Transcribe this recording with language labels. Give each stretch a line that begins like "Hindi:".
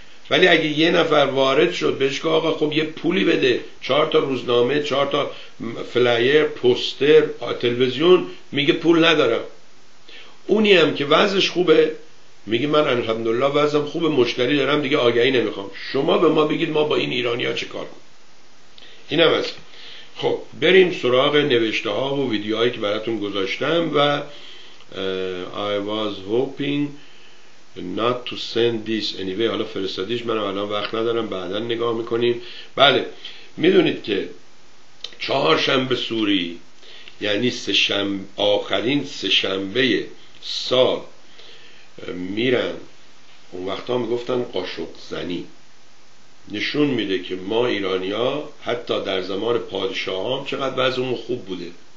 Persian: ولی اگه یه نفر وارد شد بهش که آقا خب یه پولی بده، 4 تا روزنامه، 4 تا فلایر، پوستر، تلویزیون، میگه پول ندارم. اونی هم که وضعش خوبه میگه من الحمدلله وضعم خوبه، مشتری دارم، دیگه آگهی نمیخوام. شما به ما بگید ما با این ایرانی ها چه کار کنم. این هم از خب بریم سراغ نوشته ها و ویدیوهایی که براتون گذاشتم.
English: و I was hoping not to send this anyway.
Persian: حالا فرستادیش، من الان وقت ندارم، بعدا نگاه میکنیم. بله میدونید که چهارشنبه سوری، یعنی آخرین سه‌شنبه سال میرن، اون وقتا میگفتن قاشق زنی، نشون میده که ما ایرانی ها حتی در زمان پادشاه هم چقدر وضعمون خوب بوده.